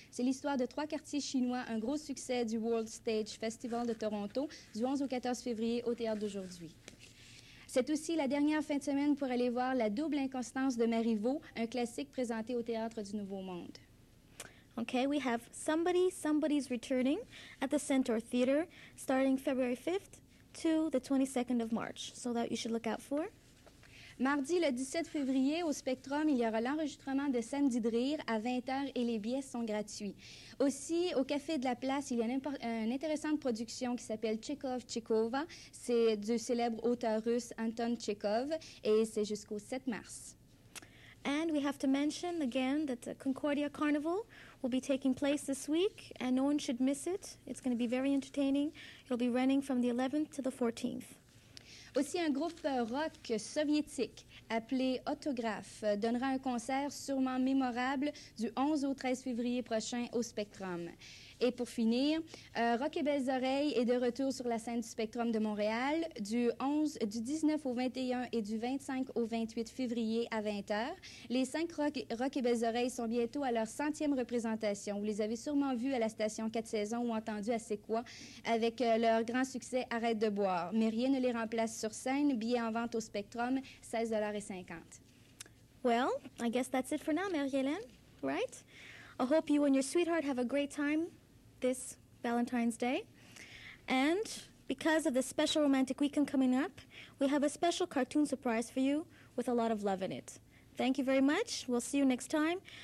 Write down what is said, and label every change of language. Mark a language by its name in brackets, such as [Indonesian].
[French] C'est l'histoire de trois quartiers chinois, un gros succès du World Stage Festival de Toronto, du 11 au 14 février au théâtre d'aujourd'hui. C'est aussi la dernière fin de semaine pour aller voir La Double Inconstance de Marivaux, un classique présenté au théâtre du Nouveau Monde. [English] Okay, we have Somebody's Returning at the Centaur Theater starting February 5th to the 22nd of March. So that you should look out for. [French] Mardi le 17 février au Spectrum, il y aura l'enregistrement de Samedi de rire à 20h et les billets sont gratuits. Aussi, au Café de la Place, il y a une intéressante production qui s'appelle Tchekhov-Tchekova. C'est du célèbre auteur russe Anton Tchekhov et c'est jusqu'au 7 mars. [English] And we have to mention again that the Concordia Carnival will be taking place this week, and no one should miss it. It's going to be very entertaining. It'll be running from the 11th to the 14th. [French] Aussi, un groupe rock soviétique appelé Autographe donnera un concert sûrement mémorable du 11 au 13 février prochain au Spectrum. Et pour finir, Rock et Belles Oreilles est de retour sur la scène du Spectrum de Montréal du 19 au 21 et du 25 au 28 février à 20h. Les cinq Rock et Belles Oreilles sont bientôt à leur 100e représentation. Vous les avez sûrement vus à la station 4 saisons ou entendus à C'est quoi avec leur grand succès Arrête de boire. Mais rien ne les remplace sur scène. Billets en vente au Spectrum, $16.50. [English] Well, I guess that's it for now, Marie-Hélène, right? I hope you and your sweetheart have a great time this Valentine's Day. And because of the special romantic weekend coming up, we have a special cartoon surprise for you with a lot of love in it. Thank you very much. We'll see you next time.